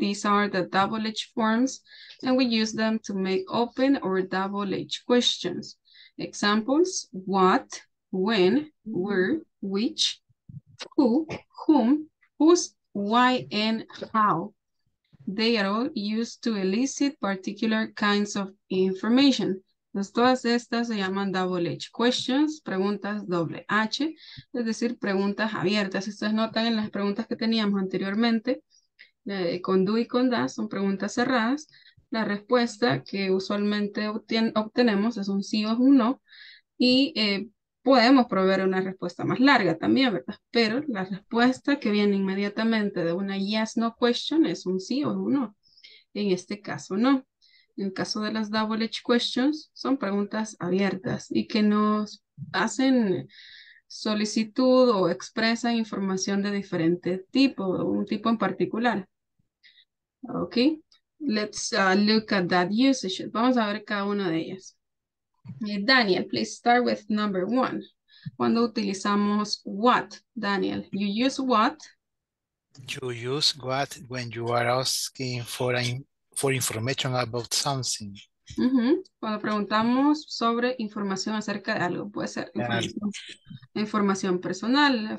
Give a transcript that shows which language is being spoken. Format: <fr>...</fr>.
<en>These are the WH forms and we use them to make open or WH questions. Examples: what, when, where, which, who, whom, whose, why, and how. They are all used to elicit particular kinds of information.</en> <es>Entonces, todas estas se llaman WH questions, preguntas WH, es decir, preguntas abiertas. Ustedes notan en las preguntas que teníamos anteriormente, con do y con das, son preguntas cerradas. La respuesta que usualmente obtenemos es un sí o un no, y podemos proveer una respuesta más larga también, ¿verdad? Pero la respuesta que viene inmediatamente de una yes, no question es un sí o un no. En este caso, no. En el caso de las WH questions, son preguntas abiertas y que nos hacen solicitud o expresan información de diferente tipo, un tipo en particular.</es> <en>Ok, let's look at that usage.</en> <es>Vamos a ver cada una de ellas.</es> <en>Daniel, please start with number one.</en> <es>¿Cuándo utilizamos what, Daniel?</es> <en>You use what? You use what when you are asking for information about something. Mm-hmm.</en> <es>Cuando preguntamos sobre información acerca de algo, puede ser información personal.</es>